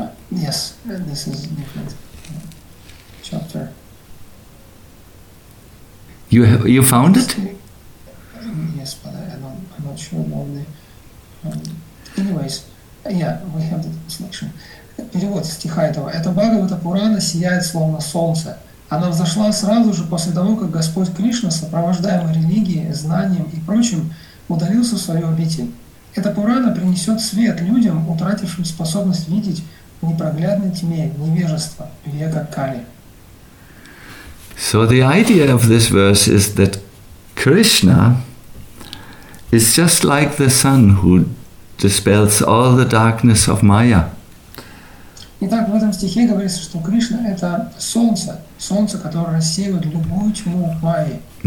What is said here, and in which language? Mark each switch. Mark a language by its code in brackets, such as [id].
[en] this is a different chapter. You found it? Yes, but I'm not sure about the... anyways, yeah, we have the translation. [ru] Перевод стиха этого. Эта Бхагавата Пурана сияет словно солнце. Она взошла сразу же после того, как Господь Кришна, сопровождаемый религией, знанием и прочим, удалился в свою обитель. Эта Пурана принесет свет людям, утратившим способность видеть в непроглядной тьме невежества века Кали. [en] So the idea of this verse is that Krishna is just like the sun who dispels all the darkness of Maya. [ru] Итак, в этом стихе говорится, что Кришна — это солнце, солнце, которое рассеивает любую тьму Майи.